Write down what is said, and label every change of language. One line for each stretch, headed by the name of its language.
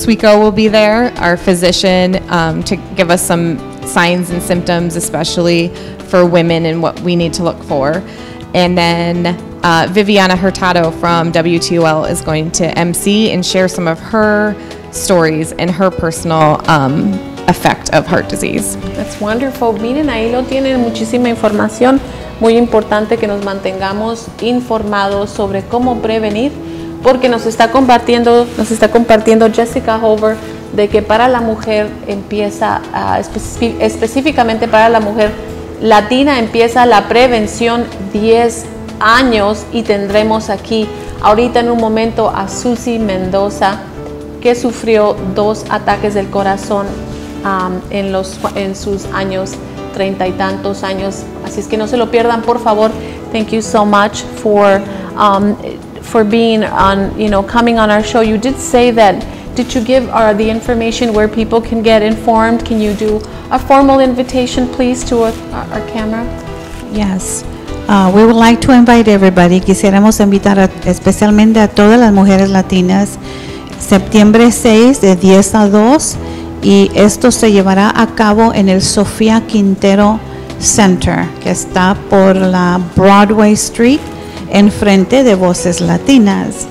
English: Suico will be there, our physician, to give us some signs and symptoms, especially for women and what we need to look for. And then Viviana Hurtado from WTOL is going to MC and share some of her stories and her personal effect of heart disease. That's wonderful.
Spanish: Miren, ahí lo tienen, muchísima información. Muy importante que nos mantengamos informados sobre cómo prevenir, porque nos está compartiendo Jessica Holber de que para la mujer empieza, específicamente para la mujer latina, empieza la prevención 10 años y tendremos aquí ahorita en un momento a Susy Mendoza, que sufrió 2 ataques del corazón en sus años, 30 y tantos años. Así es que no se lo pierdan, por favor.
English: Thank you so much for being on, coming on our show. You did say that, did you give the information where people can get informed? Can you do a formal invitation, please, to our camera? Yes. We would like to invite everybody.
Spanish: Quisiéramos invitar especialmente a todas las mujeres latinas. Septiembre 6 de 10 a 2. Y esto se llevará a cabo en el Sofía Quintero Center, que está por la Broadway Street, enfrente de Voces Latinas.